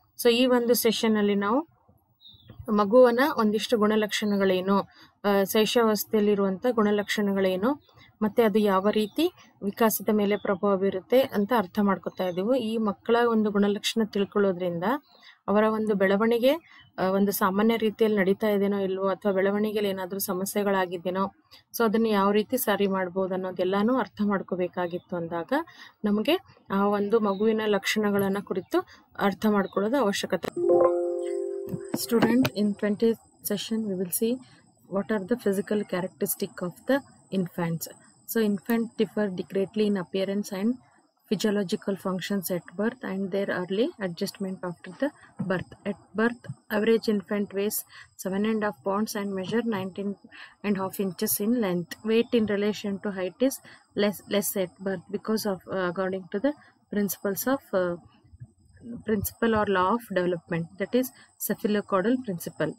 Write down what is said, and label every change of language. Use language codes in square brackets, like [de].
[kn] So ee vandu session alli now maguvana ondishtu guna lakshanagalu eno saishavasthayalli iruvanta guna lakshanagalu eno matte adu yava reethi vikasada mele prabhava biruthe anta artha maadkotta idivu ee makkala ondu guna lakshana tilkolodrinda avara ondu belavanige ಒಂದು ಸಾಮಾನ್ಯ ರೀತಿಯಲ್ಲಿ ನಡೀತಾ ಇದೆಯೋ ಇಲ್ವೋ ಅಥವಾ ಬೆಳವಣಿಗೆಯಲ್ಲಿ ಏನಾದರೂ ಸಮಸ್ಯೆಗಳಾಗಿದೆಯೋ so ಅದನ್ನು ಯಾವ ರೀತಿ ಸರಿ ಮಾಡ್ಬೋದು ಅನ್ನೋದೆಲ್ಲನೂ ಅರ್ಥ ಮಾಡ್ಕೋಬೇಕಾಗಿತ್ತು ಅಂದಾಗ ನಮಗೆ ಆ ಒಂದು ಮಗುವಿನ ಲಕ್ಷಣಗಳನ್ನು ಕುರಿತು ಅರ್ಥ ಮಾಡ್ಕೊಳ್ಳೋದು ಅವಶ್ಯಕತೆ. [en] Student, in 20th session we will see what are the physical characteristic of the infants. So infant differ greatly in appearance and physiological functions at birth and their early adjustment after the birth. At birth, average infant weighs 7.5 pounds and measure 19.5 inches in length. Weight in relation to height is less at birth because of according to the principles of principle or law of development, that is cephalocaudal principle.